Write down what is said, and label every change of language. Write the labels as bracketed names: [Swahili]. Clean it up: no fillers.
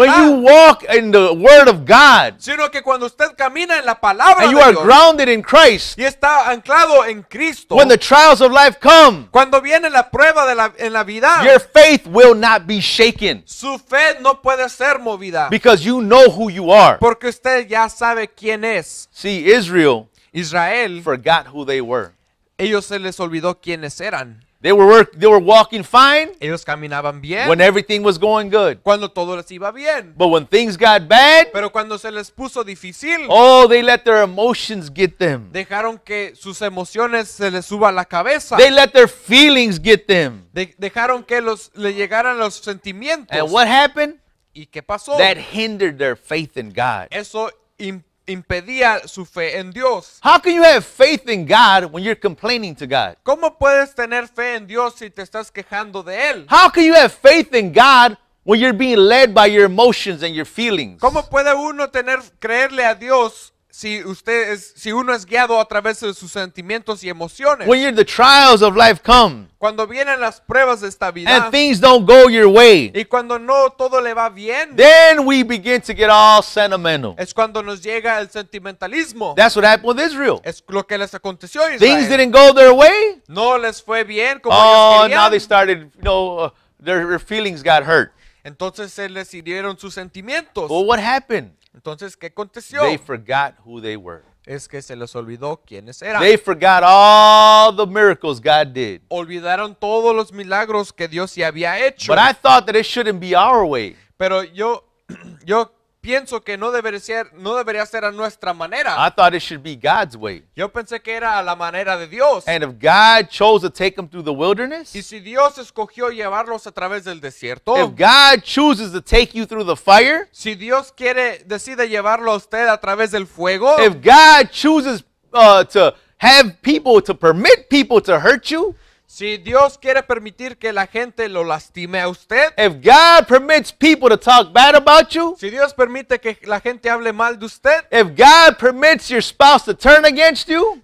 [English] When you walk in the word of God. [Spanish] Sino que cuando usted camina en la palabra [English] and you [Spanish] de [English] are [Spanish] Dios, [English] grounded in Christ. [Spanish] Y está anclado en Cristo. [English] When the trials of life come. [Spanish] Cuando viene la prueba de la, en la vida. [English] Your faith will not be shaken. [Spanish] Su fe no puede ser movida. [English] Because you know who you are. [Spanish] Porque usted ya sabe quién es. [English] See, Israel, [Spanish] Israel [English] forgot who they were. [Spanish] Ellos se les olvidó quiénes eran. [English] They were walking fine. [Spanish] Ellos caminaban bien. [English] When everything was going good. [Spanish] Cuando todo les iba bien. [English] But when things got bad. [Spanish] Pero cuando se les puso difícil. [English] Oh, they let their emotions get them. [Spanish] Dejaron que sus emociones se les suba a la cabeza. [English] They let their feelings get them. [Spanish] Dejaron que los le llegaran los sentimientos. [English] And what happened? [Spanish] ¿Y qué pasó? [English] That hindered their faith in God. [Spanish] Eso impedía su fe en Dios. [English] How can you have faith in God when you're complaining to God? [Spanish] ¿Cómo puedes tener fe en Dios si te estás quejando de él? [English] How can you have faith in God when you're being led by your emotions and your feelings? [Spanish] ¿Cómo puede uno tener creerle a Dios si uno es guiado a través de sus sentimientos y emociones? [English] When the trials of life come. [Spanish] Cuando vienen las pruebas de esta vida. [English] And things don't go your way. [Spanish] Y cuando no todo le va bien. [English] Then we begin to get all sentimental. [Spanish] Es cuando nos llega el sentimentalismo. [English] That's what happened with Israel. [Spanish] Es lo que les aconteció a Israel. [English] Things didn't go their way. [Spanish] No les fue bien como ellos querían. [English] Oh, now they started, you know, their feelings got hurt. [Spanish] Entonces se les hirieron sus sentimientos. [English] Well, what happened? [Spanish] Entonces, ¿qué aconteció? [English] They forgot who they were. [Spanish] Es que se les olvidó quiénes eran. [English] They forgot all the miracles God did. [Spanish] Olvidaron todos los milagros que Dios ya había hecho. [English] But I thought that it shouldn't be our way. [Spanish] Pero yo pienso que no debería ser a nuestra manera. [English] I thought it should be God's way. [Spanish] Yo pensé que era a la manera de Dios. [English] And if God chose to take them through the wilderness. [Spanish] Y si Dios escogió llevarlos a través del desierto. [English] If God chooses to take you through the fire. [Spanish] Si Dios quiere decide llevarlo a usted a través del fuego. [English] If God chooses to permit people to hurt you. [Spanish] Si Dios quiere permitir que la gente lo lastime a usted. [English] If God permits people to talk bad about you. [Spanish] Si Dios permite que la gente hable mal de usted. [English] If God permits your spouse to turn against you.